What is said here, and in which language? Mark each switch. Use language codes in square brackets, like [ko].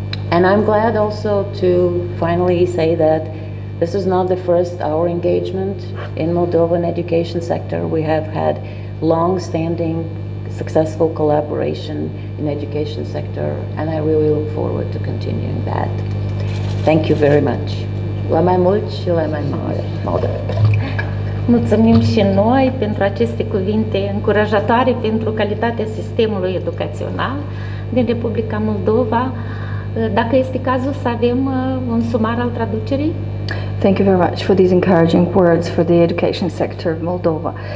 [en] And I'm glad also to finally say that this is not the first our engagement in Moldovan education sector. We have had long-standing successful collaboration in education sector, and I really look forward to continuing that. Thank you very much. [ro] La mai mult și la mai mare, Moldova. Mulțumim și noi pentru aceste cuvinte încurajatoare pentru calitatea sistemului educațional din Republica Moldova. Dacă este cazul să avem un sumar al traducerii? [en] Thank you very much for these encouraging words for the education sector of Moldova.